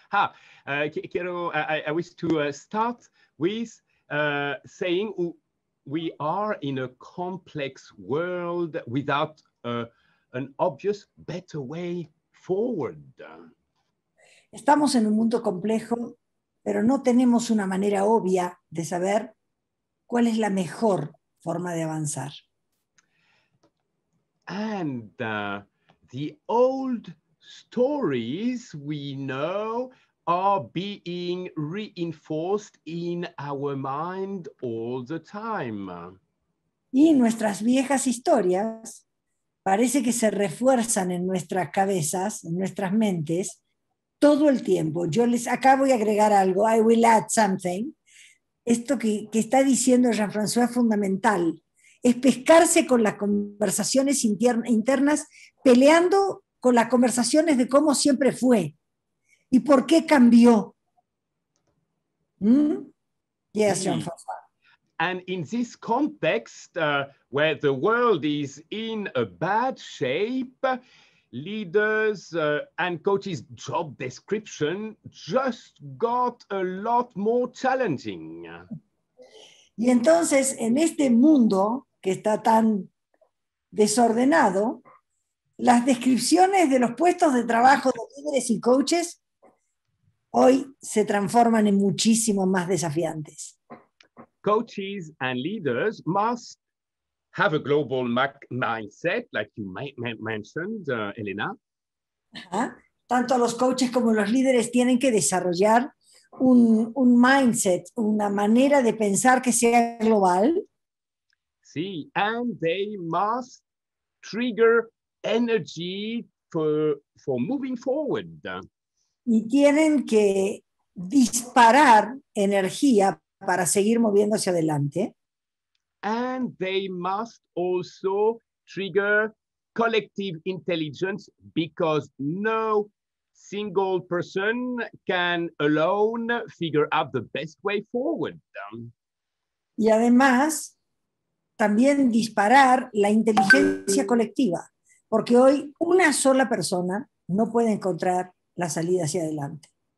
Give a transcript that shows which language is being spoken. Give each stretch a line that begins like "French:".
English: I wish to start with saying we are in a complex world without an obvious better way forward.
Spanish: Estamos en un mundo complejo, pero no tenemos una manera obvia de saber cuál es la mejor forma de avanzar.
English: And the old stories we know are being reinforced in our mind all the time.
Spanish: Y nuestras viejas historias parece que se refuerzan en nuestras cabezas, en nuestras mentes, todo el tiempo. Yo les acabo de agregar algo.
English: I will add something.
Spanish: Esto que está diciendo Jean-François es fundamental. Es pescarse con las conversaciones internas, peleando con las conversaciones de cómo siempre fue y por qué cambió.
English: ¿Mm? Yes, and in this context, where the world is in a bad shape, leaders and coaches' job description just got a lot more challenging.
Spanish: Y entonces, en este mundo que está tan desordenado, Las descripciones de los puestos de trabajo de líderes y coaches hoy se transforman en muchísimo más desafiantes.
English: Coaches and leaders must have a global mindset, like you mentioned, Elena. Ajá.
Spanish: Tanto los coaches como los líderes tienen que desarrollar un mindset, una manera de pensar que sea global.
English: Sí, and they must trigger energy for moving forward.
Spanish: Y tienen que disparar energía para seguir moviéndose adelante.
English: And they must also trigger collective intelligence because no single person can alone figure out the best way forward.
Spanish: Y además, también disparar la inteligencia colectiva, porque hoy una sola persona no puede encontrar la salida hacia adelante.